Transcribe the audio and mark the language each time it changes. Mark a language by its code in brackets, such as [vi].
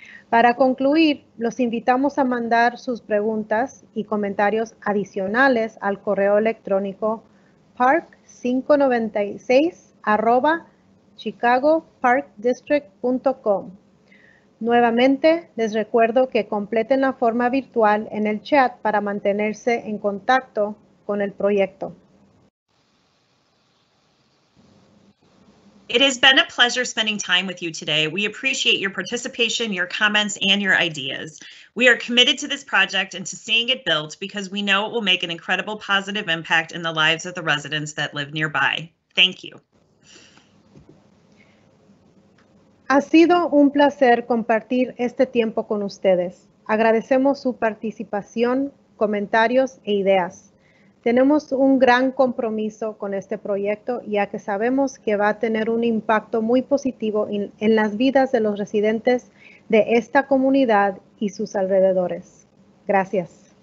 [es] Para concluir, los invitamos a mandar sus preguntas y comentarios adicionales al correo electrónico park596@chicagoparkdistrict.com. Nuevamente, les recuerdo que completen la forma virtual en el chat para mantenerse en contacto con el proyecto. [en] It has been a pleasure spending time with you today. We appreciate your participation, your comments, and your ideas. We are committed to this project and to seeing it built because we know it will make an incredible positive impact in the lives of the residents that live nearby. Thank you. [es] Ha sido un placer compartir este tiempo con ustedes. Agradecemos su participación, comentarios e ideas. Tenemos un gran compromiso con este proyecto, ya que sabemos que va a tener un impacto muy positivo en las vidas de los residentes de esta comunidad y sus alrededores. Gracias.